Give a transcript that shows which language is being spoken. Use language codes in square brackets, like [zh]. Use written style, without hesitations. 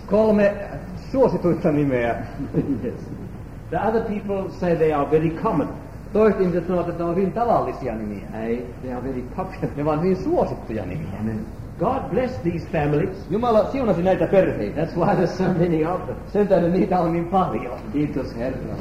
[fi] Kolme suosituista nimeä. [en] Yes. The other people say they are very common. [fi] Toiset ihmiset sanovat, että ne ovat hyvin tavallisia nimiä. Ei, [en] they are very popular. [fi] Ne ovat hyvin suosittuja nimiä. [en] Amen. God bless these families. [fi] Jumala siunasi näitä perheitä. [en] That's why there's so many of them. [fi] Sen tähden niitä on niin paljon. Kiitos Herra.